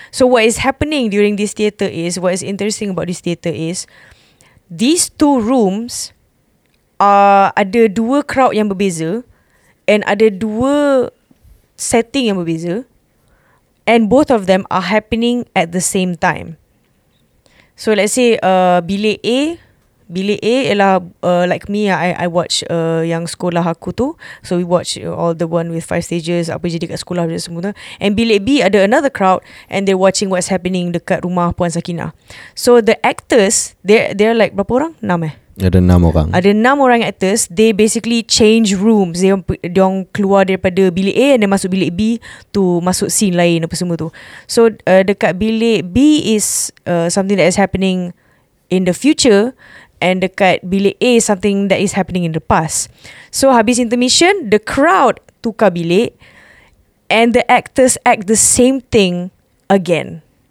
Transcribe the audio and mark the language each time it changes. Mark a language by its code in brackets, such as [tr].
[en] So what is happening during this theater is, what is interesting about this theater is, these two rooms [ms] ada dua crowd yang berbeza, [en] and [ms] ada dua setting yang berbeza, [en] and both of them are happening at the same time. So let's say [ms] bilik A ialah [en] like me, I watch [ms] yang sekolah aku tu. [en] So we watch all the one with five stages, [ms] apa jadi kat sekolah dan semua. [en] And [ms] bilik B ada [en] another crowd, and they're watching what's happening [ms] dekat rumah Puan Sakinah. [en] So the actors, they're like [ms] berapa orang? 6 eh? Ada 6 orang. Ada 6 orang [en] actors. They basically change rooms. [ms] Dia orang keluar daripada bilik A [en] and then [ms] masuk bilik B to masuk scene lain apa semua tu. [en] So [ms] dekat bilik B [en] is something that is happening in the future, and [ms] dekat bilik A [en] is something that is happening in the past. So habis intermission, the crowd [ms] tukar bilik [en] and the actors act the same thing again.